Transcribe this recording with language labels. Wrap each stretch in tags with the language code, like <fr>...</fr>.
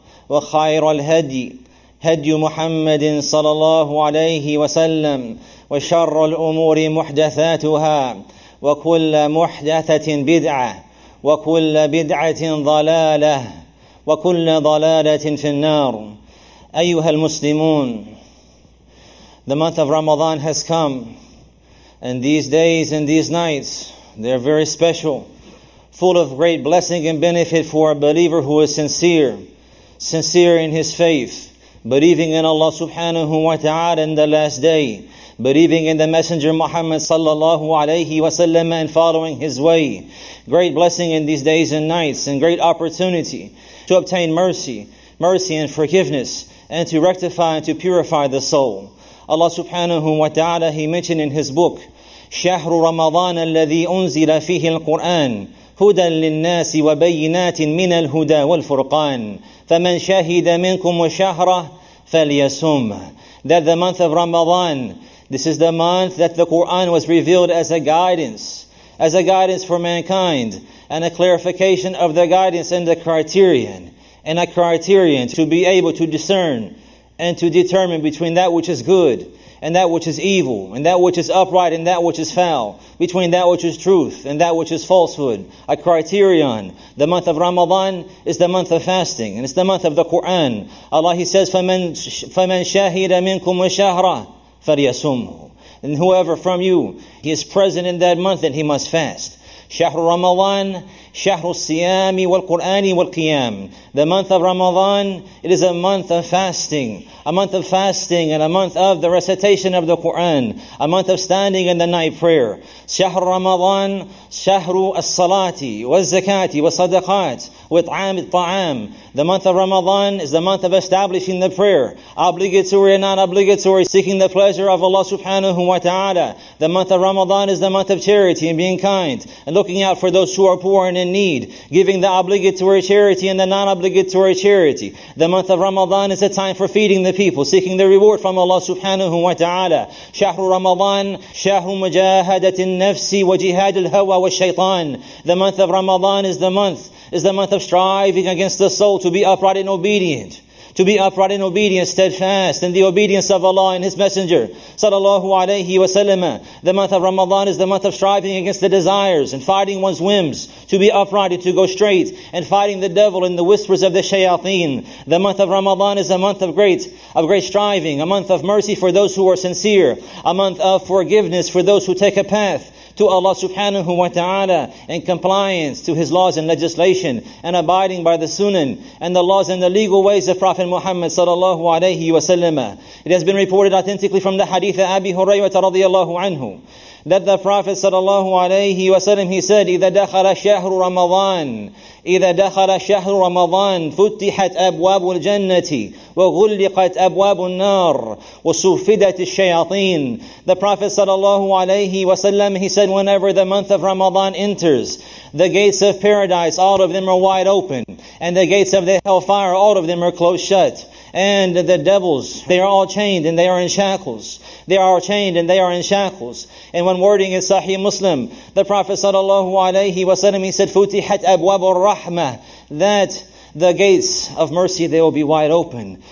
<ar>وخير الهدي هدي محمد صلى الله عليه وسلم وشر الأمور محدثاتها وكل محدثة بدعة وكل بدعة ضلالة وكل ضلالة في النار أيها المسلمون.</ar> <en>The month of Ramadan has come, and these days and these nights, they're very special, full of great blessing and benefit for a believer who is sincere in his faith, believing in Allah subhanahu wa ta'ala in the last day, believing in the Messenger Muhammad sallallahu alayhi wa sallam and following his way. Great blessing in these days and nights, and great opportunity to obtain mercy and forgiveness, and to rectify and to purify the soul. Allah subhanahu wa ta'ala, he mentioned in his book,</en> <ar>شَهْرُ رَمَضَانَ الَّذِي أُنزِلَ فِيهِ الْقُرْآنِ هُدًى لِلنَّاسِ وَبَيِّنَاتٍ مِنَ الْهُدَى وَالْفُرْقَانِ فَمَنْ شَهِدَ مِنْكُمْ وَشَهْرَهِ فَلْيَسُمْ.</ar> <en>That the month of Ramadan, this is the month that the Quran was revealed as a guidance for mankind, and a clarification of the guidance and the criterion, and a criterion to be able to discern and to determine between that which is good and that which is evil, and that which is upright and that which is foul, between that which is truth and that which is falsehood. A criterion. The month of Ramadan is the month of fasting, and it's the month of the Quran. Allah, he says,</en> <ar>فَمَنْ شَهِدَ مِنْكُمْ وَشَهْرَهِ فَلْيَسُمْهُ.</ar> <en>And whoever from you, he is present in that month, then he must fast.</en> <ar>شهر رمضان شهر الصيام والقرآن والقيام.</ar> <en>The month of Ramadan, it is a month of fasting. A month of fasting and a month of the recitation of the Quran. A month of standing in the night prayer.</en> <ar>شهر رمضان شهر الصلاة والزكاة والصدقات وإطعام الطعام.</ar> <en>The month of Ramadan is the month of establishing the prayer. Obligatory and non-obligatory, seeking the pleasure of Allah subhanahu wa ta'ala. The month of Ramadan is the month of charity and being kind, and looking out for those who are poor and in need, giving the obligatory charity and the non-obligatory charity. The month of Ramadan is a time for feeding the people, seeking the reward from Allah subhanahu wa ta'ala.</en> <ar>شهر رمضان شهر مجاهدة النفس وجهاد الهوى والشيطان.</ar> <en>The month of Ramadan is the month of striving against the soul to be upright and obedient. To be upright and obedient, steadfast in the obedience of Allah and His Messenger, sallallahu alayhi wa sallam. The month of Ramadan is the month of striving against the desires and fighting one's whims. To be upright and to go straight, and fighting the devil and the whispers of the shayateen. The month of Ramadan is a month of great striving, a month of mercy for those who are sincere, a month of forgiveness for those who take a path to Allah subhanahu wa ta'ala, in compliance to His laws and legislation, and abiding by the sunan and the laws and the legal ways of Prophet Muhammad sallallahu alayhi wa sallam. It has been reported authentically from the hadith of Abi Hurayrah radiallahu anhu, that the Prophet sallallahu alayhi wasallam, he said,</en> <ar>إِذَا دَخَلَ شَهْرُ رَمَضَانِ إِذَا دَخَلَ شَهْرُ رَمَضَانِ فُتِّحَتْ أَبْوَابُ الْجَنَّةِ وَغُلِّقَتْ أَبْوَابُ النَّارِ وَصُفِّدَتِ الشَّيَاطِينِ.</ar> <en>The Prophet sallallahu alayhi wasallam, he said, whenever the month of Ramadan enters, the gates of paradise, all of them are wide open, and the gates of the hellfire, all of them are closed shut. And the devils, they are all chained and they are in shackles. They are chained and they are in shackles. And when wording is Sahih Muslim, the Prophet sallallahu alayhi wasallam, he said,</en> <ar>"Futihat abwab al-rahma,"</ar> <en>that the gates of mercy, they will be wide open.</en>